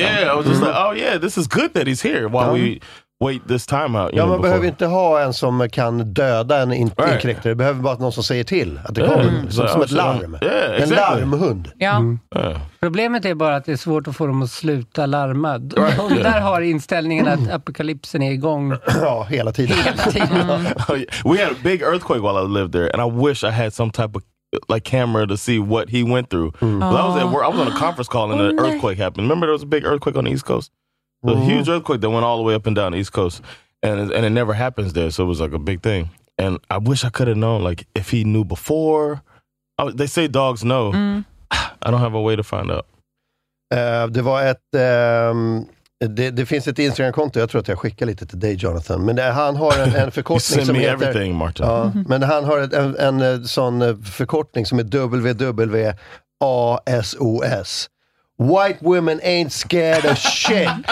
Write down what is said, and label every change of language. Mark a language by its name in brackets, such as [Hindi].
[English] Yeah, I was just like, "Oh yeah, this is good that he's here while we wait this time out." [Swedish] Ja, man behöver inte ha en som kan döda en inkräktare. [English] Right. [Swedish] Behöver bara någon som säger till att det kommer, som ett larm. [English] Yeah, [Swedish] en larmhund. Ja. Problemet är bara att det är svårt att få dem att sluta larma. [English] Right. [Swedish] Där har inställningen att apokalypsen är igång. Ja, hela tiden. [English] We had a big earthquake while I lived there, and I wish I had some type of like camera to see what he went through. I was on a conference call and an earthquake happened. Remember there was a big earthquake on the East Coast? A huge earthquake that went all the way up and down the East Coast, and it never happens there, so it was like a big thing. And I wish I could have known, like, if he knew before. They say dogs know. Mm. I don't have a way to find out. [Swedish] Det var ett det finns ett Instagram-konto. Jag tror att jag skickar lite till dig, Jonathan. Men han har en förkortning [English] send [Swedish] som heter [English] everything, Martin. [Swedish] Ja, men han har en sån förkortning som är WWASOS. [English] White women ain't scared of shit.